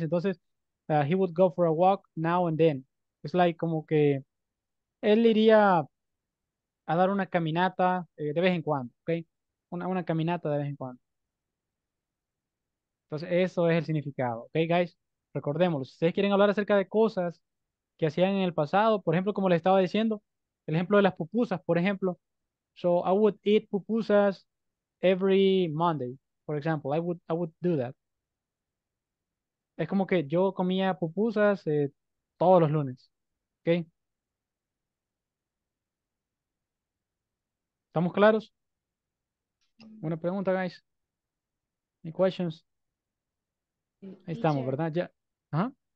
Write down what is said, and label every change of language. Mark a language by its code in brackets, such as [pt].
[es] Entonces, [en] he would go for a walk now and then. [es] Es like como que él iría a dar una caminata de vez en cuando, ¿ok? Una caminata de vez en cuando. Entonces, eso es el significado, ¿ok, guys? Recordémoslo. Si ustedes quieren hablar acerca de cosas que hacían en el pasado, por ejemplo, como les estaba diciendo, el ejemplo de las pupusas, por ejemplo. [en] So, I would eat pupusas every Monday, for example. I would do that. [es] Es como que yo comía pupusas todos los lunes, ¿ok? ¿Estamos claros? Una pregunta, guys. [en] Any questions? [es] Ahí estamos, ¿verdad? Ya. ¿Ah?